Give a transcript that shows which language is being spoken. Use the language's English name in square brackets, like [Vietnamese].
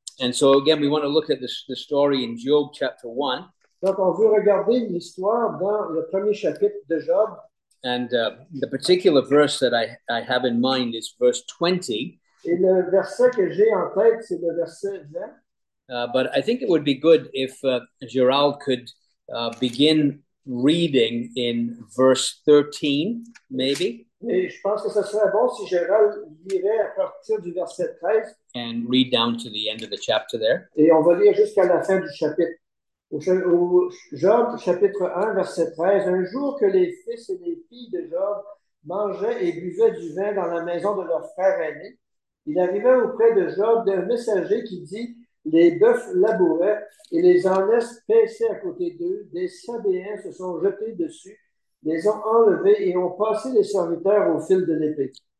[English] And so again, we want to look at the story in Job chapter 1. [French] Donc on veut regarder l'histoire dans le premier chapitre de Job. [English] And the particular verse that I have in mind is verse 20. [French] Et le verset que j'ai en tête, c'est le verset 20. [English] But I think it would be good if Gérald could begin reading in verse 13, maybe. [French] Et je pense que ce serait bon si Gérald lirait à partir du verset 13. [English] And read down to the end of the chapter there. [French] Et on va lire jusqu'à la fin du chapitre. Au Job, chapitre 1, verset 13, « Un jour que les fils et les filles de Job mangeaient et buvaient du vin dans la maison de leur frère aîné, il arriva auprès de Job d'un messager qui dit, « Les bœufs labouraient et les ânes paissaient à côté d'eux, des sabéens se sont jetés dessus, les ont enlevés et ont passé les serviteurs au fil de l'épée.